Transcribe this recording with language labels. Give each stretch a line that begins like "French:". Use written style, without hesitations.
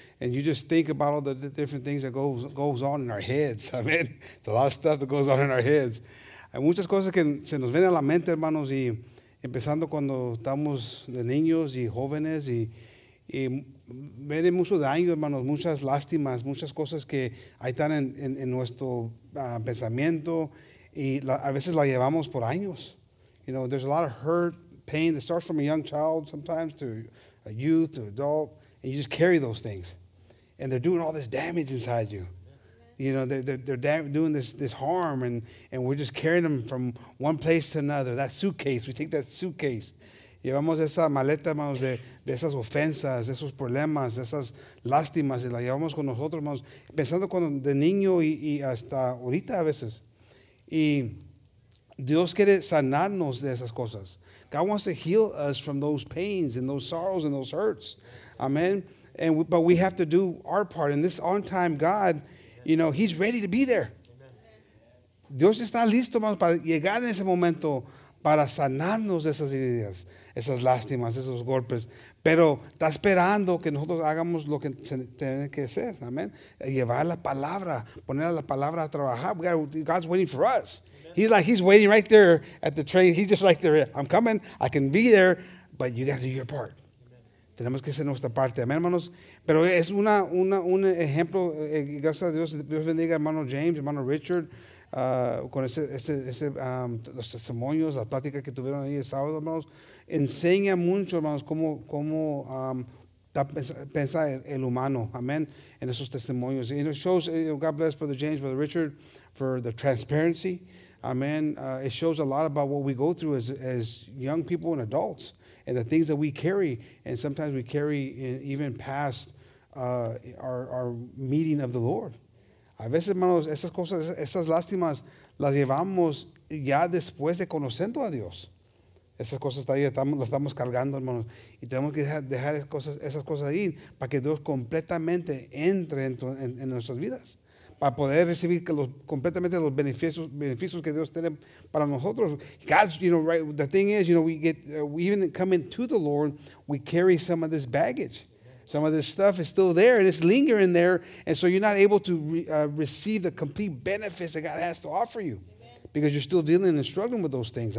English: And you just think about all the different things that goes on in our heads. I mean, it's a lot of stuff that goes on in our heads.
Spanish: Hay muchas cosas que se nos vienen a la mente, hermanos, y empezando cuando estamos de niños y jóvenes, y viene mucho daño, hermanos, muchas lástimas, muchas cosas que ahí están en nuestro pensamiento, y a veces la llevamos por años.
English: You know, there's a lot of hurt, pain that starts from a young child sometimes to a youth, to adult. And you just carry those things. And they're doing all this damage inside you. You know, they're doing this harm. And we're just carrying them from one place to another. That suitcase, we take that suitcase.
Spanish: Llevamos esa maleta, hermanos, de esas ofensas, esos problemas, esas lástimas. Y la llevamos con nosotros, hermanos. Pensando cuando de niño y hasta ahorita a veces. Y Dios quiere sanarnos de esas cosas.
English: God wants to heal us from those pains and those sorrows and those hurts. Amen. And but we have to do our part. And this on-time God, you know, He's ready to be there.
Spanish: Amen. Dios está listo, hermanos, para llegar en ese momento para sanarnos de esas heridas, esas lástimas, esos golpes. Pero está esperando que nosotros hagamos lo que tiene que hacer. Amen. Llevar la palabra, poner la palabra a trabajar.
English: God's waiting for us. Amen. He's like, He's waiting right there at the train. He's just like, there. I'm coming. I can be there. But you got to do your part.
Spanish: Tenemos que hacer nuestra parte, amén, hermanos. Pero es un ejemplo, gracias a Dios, Dios bendiga a hermano James, hermano Richard, con los testimonios, la plática que tuvieron ahí el sábado, hermanos. Enseña mucho, hermanos, cómo piensa el humano, amén, en esos testimonios.
English: And it shows, God bless Brother James, Brother Richard, for the transparency, amén. It shows a lot about what we go through as young people and adults. And the things that we carry, and sometimes we carry even past our meeting of the Lord.
Spanish: A veces, hermanos, esas cosas, esas lástimas, las llevamos ya después de conociendo a Dios. Esas cosas todavía las estamos cargando, hermanos. Y tenemos que dejar esas cosas ahí para que Dios completamente entre en nuestras vidas. Para poder recibir completamente los beneficios que Dios tiene para nosotros.
English: God's, you know, right, the thing is, you know, we even coming to the Lord, we carry some of this baggage. Some of this stuff is still there. It's lingering there. And so you're not able to receive the complete benefits that God has to offer you. Amen. Because you're still dealing and struggling with those things.